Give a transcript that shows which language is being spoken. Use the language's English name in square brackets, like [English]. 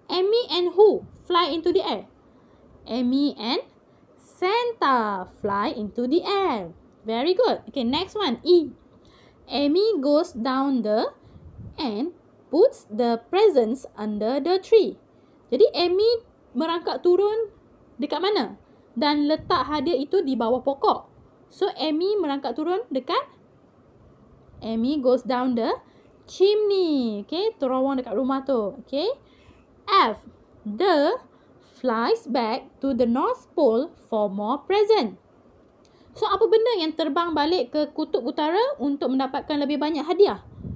[English] Amy and who fly into the air? Amy and Santa fly into the air. Very good. Okay. Next one. E. Amy goes down the and puts the presents under the tree. [Malay] Jadi, Amy merangkak turun dekat mana? Dan letak hadiah itu di bawah pokok. [English] So, [Malay] Amy merangkak turun dekat? [English] Amy goes down the chimney. [Malay] Okay, terowong dekat rumah tu. Okay. F. [English] The flies back to the North Pole for more present. [Malay] So, apa benda yang terbang balik ke kutub utara untuk mendapatkan lebih banyak hadiah?